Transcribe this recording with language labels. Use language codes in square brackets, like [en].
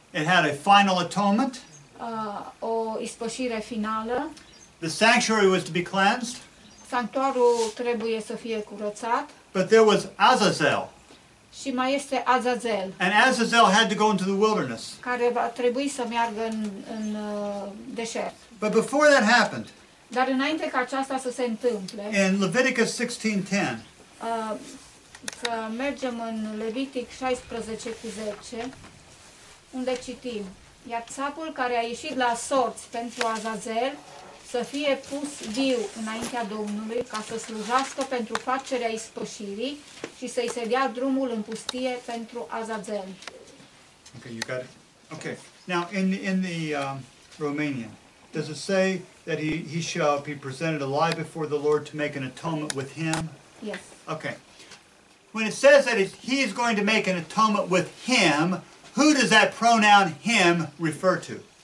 [en] It had a final atonement. [ro] O ispășire finală. [en] The sanctuary was to be cleansed. [ro] Sanctuarul trebuie să fie curățat. [en] But there was Azazel. [ro] Și mai este Azazel. [en] And Azazel had to go into the wilderness. [ro] Care va trebui să meargă în deșert. [en] But before that happened, [ro] dar înainte ca aceasta să se întâmple, [en] in Leviticus 16:10, [ro] că mergem în Levitic 16:10, unde citim: iar țapul care a ieșit la sorți pentru Azazel să fie pus viu înaintea Domnului ca să slujească pentru facerea ispășirii și să-i se dea drumul în pustie pentru Azazel. [en] Okay, you got it. Okay. Now, in the Romanian, does it say that he shall be presented alive before the Lord to make an atonement with him? Yes. Okay. When it says that he is going to make an atonement with him, who does that pronoun him refer to?